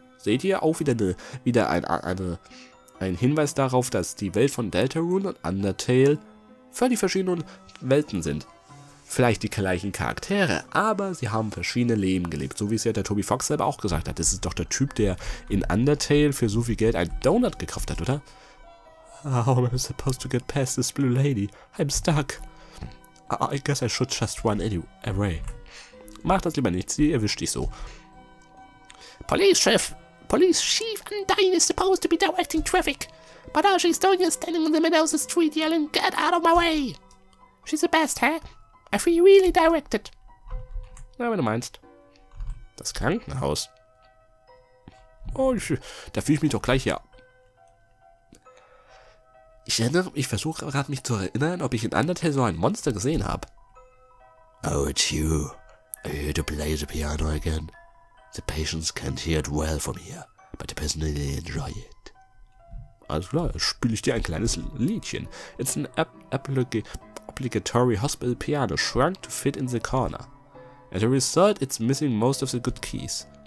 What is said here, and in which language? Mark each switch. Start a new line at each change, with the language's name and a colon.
German: Seht ihr auch wieder, ein Hinweis darauf, dass die Welt von Deltarune und Undertale völlig verschiedene Welten sind. Vielleicht die gleichen Charaktere, aber sie haben verschiedene Leben gelebt. So wie es ja der Toby Fox selber auch gesagt hat. Das ist doch der Typ, der in Undertale für so viel Geld einen Donut gekauft hat, oder?
English: How am I supposed to get past this blue lady? I'm stuck. I guess I should just run away.
German: Mach das lieber nicht, sie erwischt dich so.
English: Police Chief! Police Chief Undyne is supposed to be directing traffic. But now she's doing it standing in the middle of the street yelling, get out of my way! She's the best, huh? I feel really directed.
German: Na, wenn du meinst. Das Krankenhaus. Oh, da fühle ich mich doch gleich hier. Ich versuche gerade mich zu erinnern, ob ich in Undertale so ein Monster gesehen habe.
English: Oh, it's you. I heard you play the piano again. The patients can't hear it well from here, but they personally enjoy it.
German: Alles klar, spiele ich dir ein kleines Liedchen.
English: It's an obligatory hospital piano, shrunk to fit in the corner. As a result, it's missing most of the good keys.